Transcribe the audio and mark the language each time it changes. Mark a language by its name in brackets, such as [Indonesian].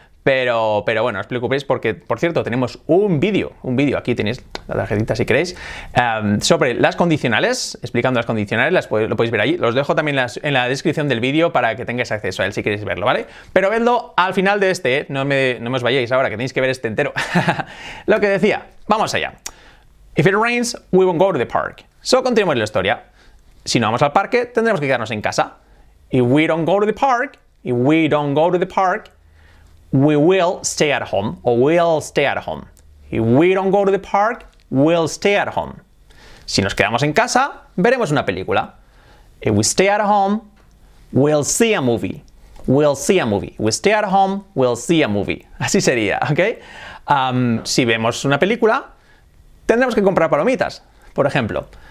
[Spanish] Pero bueno, os preocupéis porque, por cierto, tenemos un vídeo, aquí tenéis la tarjetita si queréis, sobre las condicionales, explicando las condicionales, lo podéis ver ahí. Los dejo también en la descripción del vídeo para que tengáis acceso a él si queréis verlo, ¿vale? Pero vedlo al final de este, no me os vayáis ahora, que tenéis que ver este entero. Lo que decía, vamos allá. [English] If it rains, we won't go to the park. [Spanish] So, continuemos la historia. Si no vamos al parque, tendremos que quedarnos en casa. [English] If we don't go to the park, we will stay at home, or we'll stay at home. If we don't go to the park, we'll stay at home. [Spanish] Si nos quedamos en casa, veremos una película. [English] If we stay at home, we'll see a movie. We'll see a movie. If we stay at home, we'll see a movie. [Spanish] Así sería, [English] ¿ok? [Spanish] Si vemos una película, tendremos que comprar palomitas, por ejemplo.